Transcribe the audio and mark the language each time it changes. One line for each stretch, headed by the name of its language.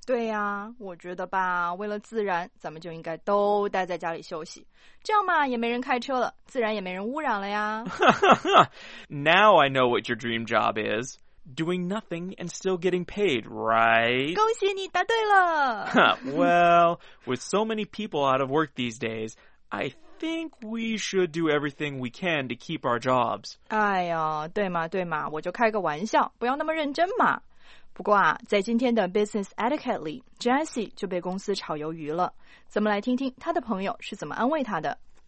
Chinese: 对呀、啊，我觉得吧，为了自然，咱们就应该都待在家里休息。这样嘛，也没人开车了，自然也没人污染了呀。
English: Now I know what your dream job is. Doing nothing and still getting paid, right?
Chinese: 恭喜你答对了。
English: Well, with so many people out of work these days, I think we should do everything we can to keep our jobs.
Chinese: 哎呀，对嘛对嘛，我就开个玩笑，不要那么认真嘛。不过啊，在今天的 Business Etiquette 里， Jesse 就被公司炒鱿鱼了。咱们来听听他的朋友是怎么安慰他的。